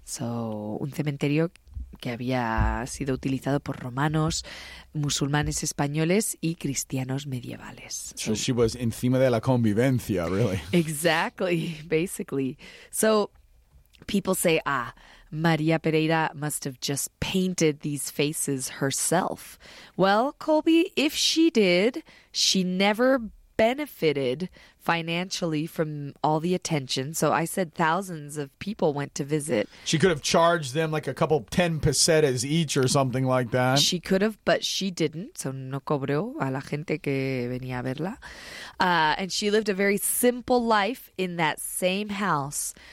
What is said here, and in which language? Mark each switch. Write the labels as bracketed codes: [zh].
[es] So un cementerio que había sido utilizado por romanos, musulmanes españoles y cristianos medievales. [en] So she was [es] encima de la convivencia, [en] really. Exactly, basically. So people say, ah, María Pereira must have just painted these faces herself. Well, Colby, if she did, she never benefited financially from all the attention. So I said thousands of people went to visit. She could have charged them like a couple 10 pesetas each or something like that. She could have, but she didn't. So [es] no cobró a la gente que venía a verla. [en] And she lived a very simple life in that same house.